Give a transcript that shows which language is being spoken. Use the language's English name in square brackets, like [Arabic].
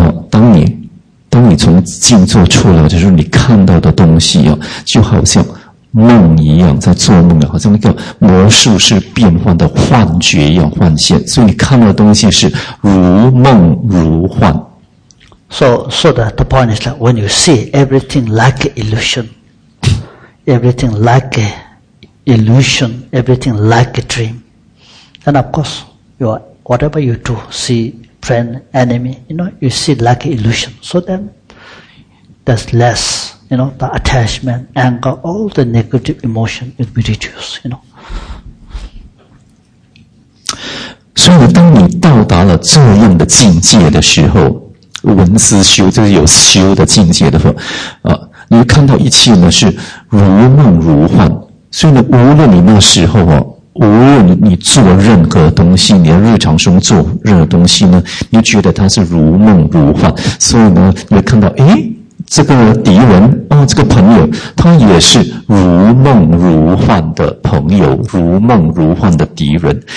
[Chinese] 当你从静坐出来，就是你看到的东西啊，就好像梦一样，在做梦啊，好像那个魔术是变幻的幻觉一样幻现，所以你看到的东西是如梦如幻。 [English] So the point is that when you see everything like illusion, everything like illusion, everything like a dream, then of course you are, whatever you do, see. Friend, enemy, you know, you see like illusion. So then, there's less, you know, the attachment, anger, all the negative emotion will be reduced, you know. [Chinese] 所以当你到达了这样的境界的时候，文思修，就是有修的境界的时候，你看到一切呢是如梦如幻。所以呢，无论你那时候啊，无论你做任何东西，你在日常中做任何东西呢，你觉得它是如梦如幻，所以呢，你会看到，诶，这个敌人啊，这个朋友，他也是如梦如幻的朋友，如梦如幻的敌人。